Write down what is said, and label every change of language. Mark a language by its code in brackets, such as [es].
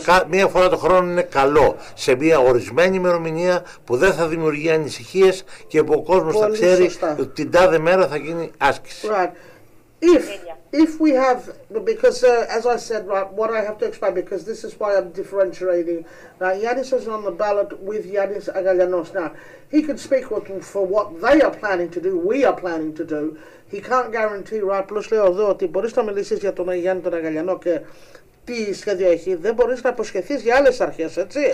[el] Μία φορά το χρόνο είναι καλό, σε μία ορισμένη ημερομηνία που δεν θα δημιουργεί ανησυχίες και που ο κόσμος πολύ θα ξέρει σωστά. Ότι την τάδε μέρα θα γίνει άσκηση. [en] Right. If we have, because as I said, right, what I have to explain, because this is why I'm differentiating. Now, Yanis is on the ballot with Yanis Agalianos. Now, he can speak for what they are planning to do, we are planning to do. He can't guarantee, right, plus [el] λέω εδώ ότι μπορείς να μιλήσεις για τον Γιάννη τον Αγαλιανό και... τι σχέδιο έχει, δεν μπορείς να υποσχεθείς για άλλες αρχές, έτσι.